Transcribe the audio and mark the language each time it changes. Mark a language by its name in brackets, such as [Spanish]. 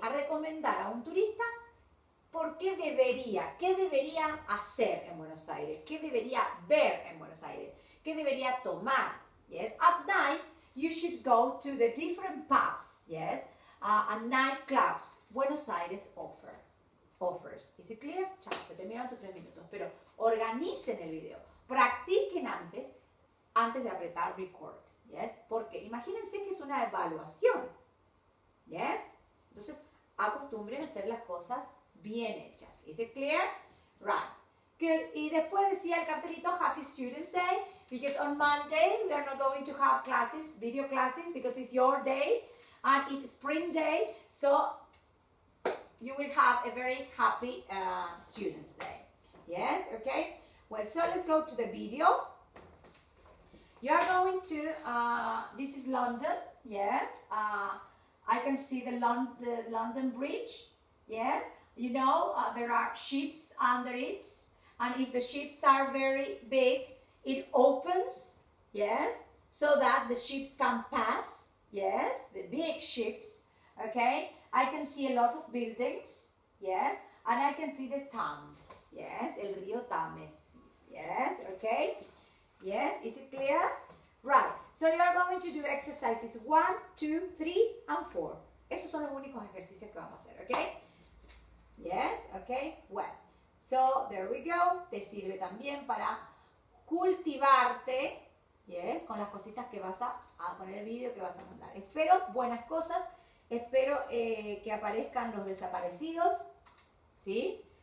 [Spanish] A recomendar a un turista por qué debería hacer en Buenos Aires, qué debería ver en Buenos Aires, qué debería tomar. [English] Yes, at night you should go to the different pubs, yes, and nightclubs Buenos Aires offers. Is it clear? [Spanish] Chao, se terminaron tus 3 minutos, pero organicen el video, practiquen antes de apretar record, yes, porque imagínense que es una evaluación, yes, entonces acostumbren a hacer las cosas bien hechas. [English] Is it clear? Right. Good. [Spanish] Y después decía el cartelito Happy Students Day. [English] Because on Monday, we are not going to have classes, video classes, because it's your day and it's spring day. So, you will have a very happy student's day. Yes, okay. Well, so let's go to the video. You are going to, this is London, yes. I can see the London Bridge, yes. You know, there are ships under it. And if the ships are very big, it opens, yes, so that the ships can pass, yes, the big ships, okay. I can see a lot of buildings, yes, and I can see the Thames, yes, el río Thames, yes, okay, yes, is it clear? Right, so you are going to do exercises 1, 2, 3, and 4. [Spanish] Esos son los únicos ejercicios que vamos a hacer, [English] okay, yes, okay, well, so there we go, [Spanish] te sirve también para cultivarte, yes, con las cositas que vas a poner el video que vas a mandar. Espero buenas cosas, espero que aparezcan los desaparecidos, ¿sí?